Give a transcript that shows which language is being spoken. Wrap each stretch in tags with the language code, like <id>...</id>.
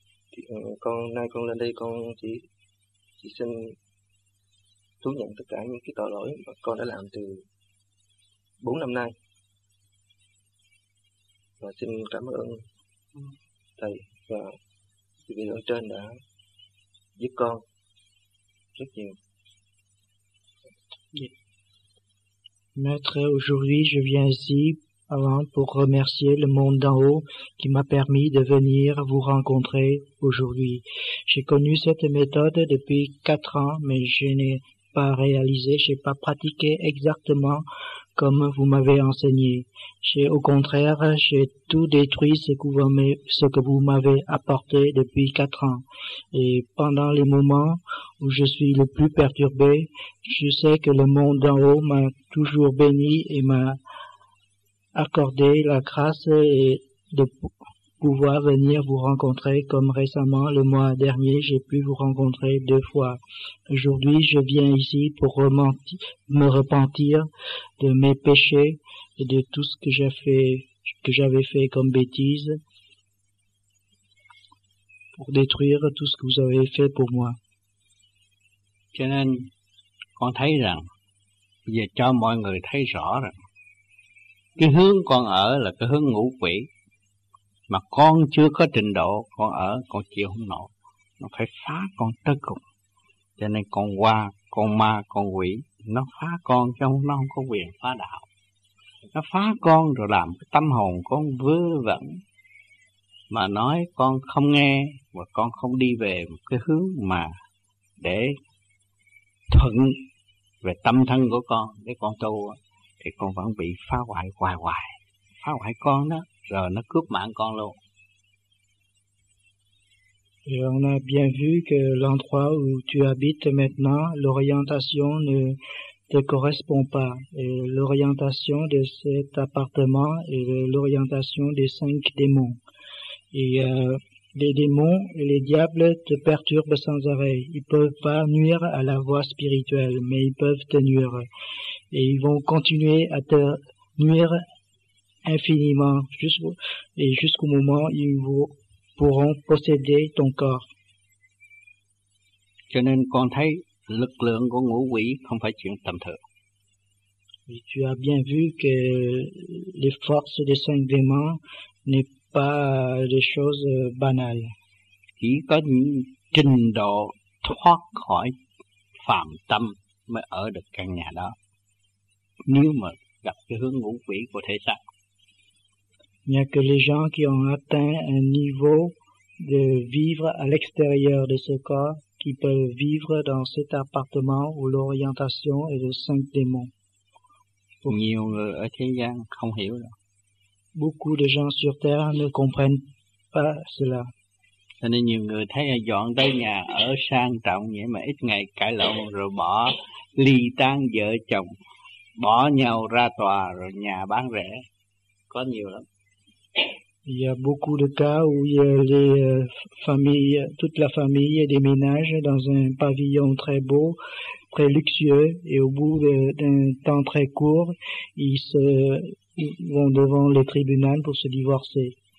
<vi>Thì con nay con lên đây con chỉ xin thú nhận tất cả những cái tội lỗi mà con đã làm từ 4 năm nay. Và xin cảm ơn thầy và vị ở trên đã giúp con rất nhiều.</vi> <fr>Maître, aujourd'hui je viens ici avant pour remercier le monde d'en haut qui m'a permis de venir vous rencontrer aujourd'hui. J'ai connu cette méthode depuis 4 ans, mais je n'ai pas réalisé, j'ai pas pratiqué exactement comme vous m'avez enseigné. J'ai au contraire, j'ai tout détruit ce que vous m'avez apporté depuis 4 ans. Et pendant les moments où je suis le plus perturbé, je sais que le monde d'en haut m'a toujours béni et m'a accordé la grâce et de pouvoir venir vous rencontrer comme récemment, le mois dernier, j'ai pu vous rencontrer 2 fois. Aujourd'hui, je viens ici pour me repentir de mes péchés et de tout ce que j'ai fait que j'avais fait comme bêtise pour détruire tout ce que vous avez fait pour moi.</fr> <vi>Cho nên con thấy rằng bây giờ cho mọi người thấy rõ rằng cái hướng con ở là cái hướng ngũ quỷ, mà con chưa có trình độ, con ở con chịu không nổi, nó phải phá con tất cùng. Cho nên con qua con ma, con quỷ, nó phá con, chứ nó không có quyền phá đạo. Nó phá con rồi làm cái tâm hồn con vớ vẩn, mà nói con không nghe, và con không đi về một cái hướng mà để thuận về tâm thân của con, để con tu, thì con vẫn bị phá hoại hoài hoài. Phá hoại con đó, rồi nó cướp mạng con luôn.</vi> <fr>Et on a bien vu que l'endroit où tu habites maintenant, l'orientation ne te correspond pas. Et l'orientation de cet appartement est l'orientation des 5 démons. Et les démons et les diables te perturbent sans arrêt. Ils peuvent pas nuire à la voie spirituelle, mais ils peuvent te nuire. Et ils vont continuer à te nuire infiniment jusqu'au moment où ils vont pourront posséder ton corps.</fr> <vi>Cho nên con thấy lực lượng của ngũ quỷ không phải chuyện tầm thường.</vi> <fr>Et tu as bien vu que les forces des cinq démons n'est pas des choses banales.</fr> <vi>Chỉ có những trình độ thoát khỏi phàm tâm mới ở được căn nhà đó. Nếu mà gặp cái hướng ngũ quỷ của thể xác.</vi> <fr>Il n'y a que les gens qui ont atteint un niveau de vivre à l'extérieur de ce corps qui peuvent vivre dans cet appartement où l'orientation est de 5 démons.</fr> <vi>Nhiều người ở thế gian không hiểu đâu.</vi> <fr>Beaucoup de gens sur Terre ne comprennent pas cela.</fr> <vi>Cho nên nhiều người thấy dọn tới nhà ở sang trọng vậy mà ít ngày cãi lộn rồi bỏ ly tán vợ chồng, bỏ nhau ra tòa rồi nhà bán rẻ. Có nhiều lắm.</vi> <fr>Il y a beaucoup de cas où les familles, toute la famille déménage dans un pavillon très beau, très luxueux, et au bout d'un temps très court, ils vont devant le tribunal pour se divorcer.</fr>